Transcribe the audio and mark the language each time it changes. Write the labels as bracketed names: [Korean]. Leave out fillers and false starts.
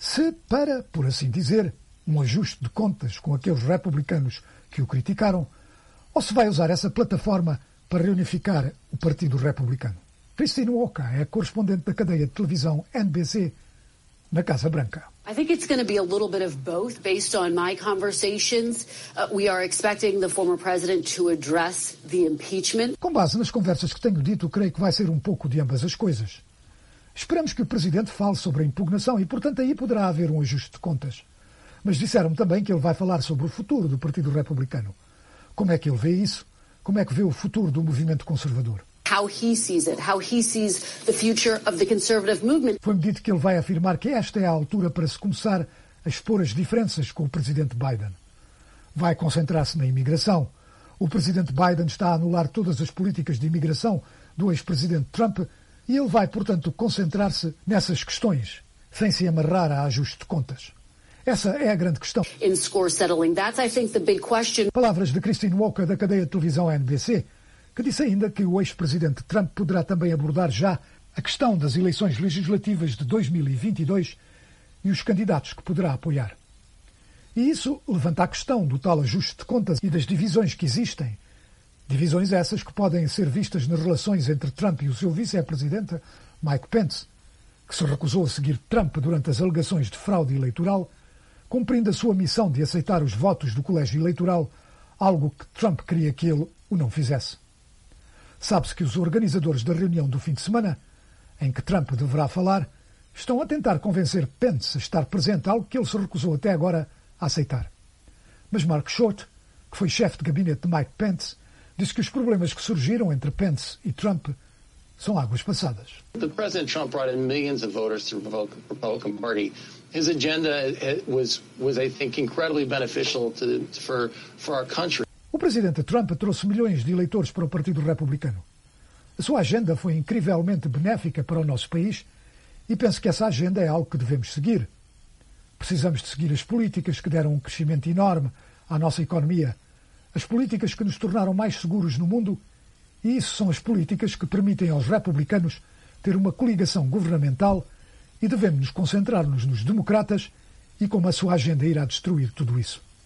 [Portuguese] Se para, por assim dizer, um ajuste de contas com aqueles republicanos que o criticaram, ou se vai usar essa plataforma para reunificar o Partido Republicano. Christine Walker é correspondente da cadeia de televisão NBC na Casa Branca. [English] I think it's going to be a little bit of both based on my conversations. We are expecting the former president to address the impeachment. [Portuguese] Com base nas conversas que tenho dito, creio que vai ser um pouco de ambas as coisas. Esperamos que o presidente fale sobre a impugnação e, portanto, aí poderá haver um ajuste de contas. Mas disseram-me também que ele vai falar sobre o futuro do Partido Republicano. Como é que ele vê isso? Como é que vê o futuro do movimento conservador? [English] How he sees it, how he sees the future of the conservative movement. [Portuguese] Foi-me dito que ele vai afirmar que esta é a altura para se começar a expor as diferenças com o presidente Biden. Vai concentrar-se na imigração. O presidente Biden está a anular todas as políticas de imigração do ex-presidente Trump e ele vai, portanto, concentrar-se nessas questões, sem se amarrar a ajuste de contas. Essa é a grande questão. [English] In score settling, that's, I think, the big question. [Portuguese] Palavras de Christine Walker, da cadeia de televisão NBC, que disse ainda que o ex-presidente Trump poderá também abordar já a questão das eleições legislativas de 2022 e os candidatos que poderá apoiar. E isso levanta a questão do tal ajuste de contas e das divisões que existem. Divisões essas que podem ser vistas nas relações entre Trump e o seu vice-presidente, Mike Pence, que se recusou a seguir Trump durante as alegações de fraude eleitoral, cumprindo a sua missão de aceitar os votos do colégio eleitoral, algo que Trump queria que ele o não fizesse. Sabe-se que os organizadores da reunião do fim de semana, em que Trump deverá falar, estão a tentar convencer Pence a estar presente, algo que ele se recusou até agora a aceitar. Mas Mark Short, que foi chefe de gabinete de Mike Pence, disse que os problemas que surgiram entre Pence e Trump são águas passadas. [English] The President Trump brought in millions of voters to the Republican Party. His agenda was, I think, incredibly beneficial for our country. [Portuguese] O presidente Trump trouxe milhões de eleitores para o Partido Republicano. A sua agenda foi incrivelmente benéfica para o nosso país e penso que essa agenda é algo que devemos seguir. Precisamos de seguir as políticas que deram um crescimento enorme à nossa economia, as políticas que nos tornaram mais seguros no mundo e isso são as políticas que permitem aos republicanos ter uma coligação governamental e devemos nos concentrar-nos nos democratas e como a sua agenda irá destruir tudo isso.